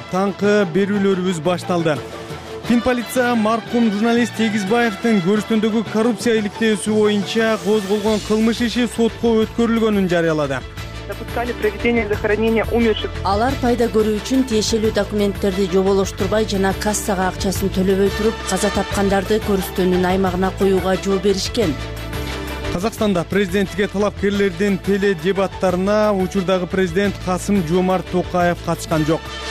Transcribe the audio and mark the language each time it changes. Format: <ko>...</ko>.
<ky>Таңкы берүүлөрүбүз башталды. Финполиция маркум журналист Тегизбаевтин көрүштөндөгү коррупция иликтөөсү боюнча козголгон кылмыш иши сотко өткөрүлгөнүн жарыялады.</ky> <ru>Допускали проведение захоронения умерших.</ru> <ky>Алар пайда көрүү үчүн тиешелүү документтерди жоболоштурбай жана кассага акчасын төлөбөй туруп, каза тапкандарды көрүштөнүн аймагына коюуга жол беришкен. Казакстанда президенттикке талапкерлердин теле дебаттарына учурдагы президент Касым Жомарт Токаев катышкан жок.</ky>